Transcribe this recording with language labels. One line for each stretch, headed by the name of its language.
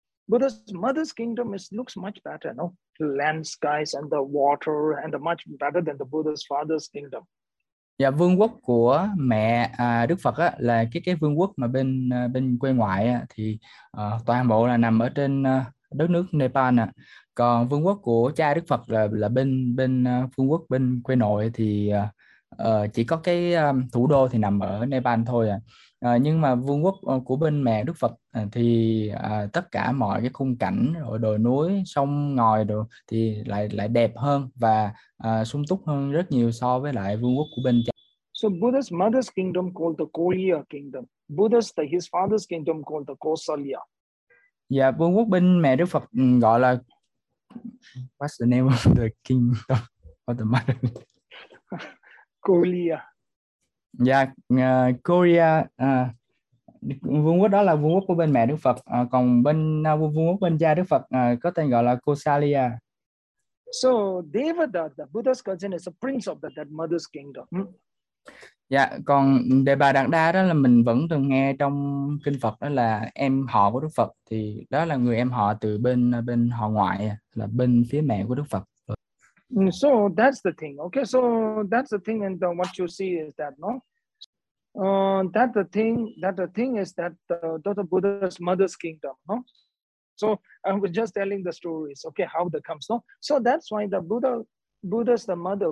English: Buddha's mother's kingdom is looks much better, no? Land, skies, and the water, and the much better than the Buddha's father's kingdom.
Vietnamese: Dạ, vương quốc của mẹ Đức Phật á, là cái vương quốc mà bên bên quê ngoại á, thì toàn bộ là nằm ở trên đất nước Nepal ạ. Còn vương quốc của cha Đức Phật là bên bên vương quốc bên quê nội thì chỉ có cái thủ đô thì nằm ở Nepal thôi ạ. Nhưng mà vương quốc của bên mẹ Đức Phật thì tất cả mọi cái khung cảnh rồi đồi núi sông ngòi rồi thì lại lại đẹp hơn và sung túc hơn rất nhiều so với lại vương quốc của bên.
English: So Buddha's mother's kingdom called the Koliya kingdom. Buddha's the his father's kingdom called the Kosalya.
Vietnamese: Dạ, vương quốc bên mẹ Đức Phật gọi là
English: what's the name of the kingdom of Koliya.
Vietnamese: Dạ, Korea, vương quốc đó là vương quốc của bên mẹ Đức Phật, còn bên vương quốc bên cha Đức Phật có tên gọi là Kosalia.
English: So Devadatta, the Buddha's cousin, is a prince of that mother's kingdom.
Vietnamese: Dạ, còn Đề Bà Đạt Đa đó là mình vẫn từng nghe trong kinh Phật đó là em họ của Đức Phật, thì đó là người em họ từ bên bên họ ngoại, là bên phía mẹ của Đức Phật.
English: So that's the thing. Okay, so that's the thing, and what you see is that, no, that the thing is that the Buddha's mother's kingdom, no. So I was just telling the stories. Okay, how that comes, no. So that's why the Buddha's the mother.